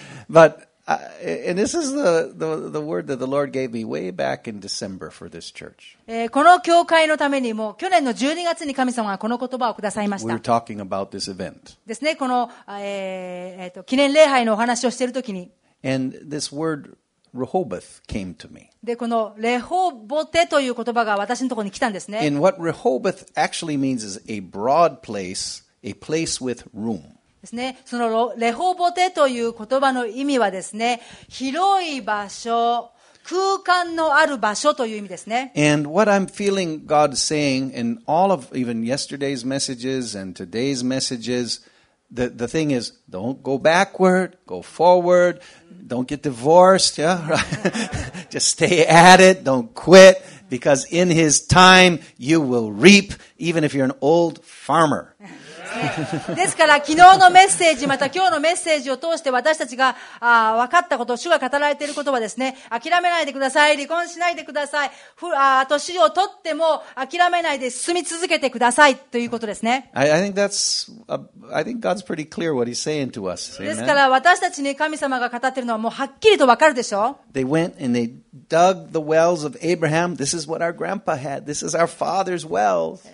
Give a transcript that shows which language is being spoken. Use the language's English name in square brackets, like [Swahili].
[English] But and this is the word that the Lord gave me way back in December for this church. [Japanese] この教会のためにも去年の12月に神様がこの言葉をくださいました。 [English] We were talking about this event. [Japanese] ですね、この記念礼拝のお話をしているときに。 [English] And this word Rehoboth came to me. [Japanese] で、このレホボテという言葉が私のところに来たんですね。 [English] And what Rehoboth actually means is a broad place, a place with room. [Japanese] ですね、そのレホボテという言葉の意味はですね、広い場所、空間のある場所という意味ですね。 [English] And what I'm feeling God saying in all of even yesterday's messages and today's messages, the thing is, don't go backward, go forward, don't get divorced, yeah, right? Just stay at it, don't quit, because in His time you will reap, even if you're an old farmer. [Japanese] ですから昨日のメッセージまた今日のメッセージを通して私たちが分かったこと主が語られていることはですね諦めないでください離婚しないでください年を取っても諦めないで進み続けてくださいということですね [English] I think God's pretty clear what he's saying to us. [Japanese] ですから私たちに神様が語っているのはもうはっきりと分かるでしょ [English] They went and they dug the wells of Abraham This is what our grandpa had This is our father's wells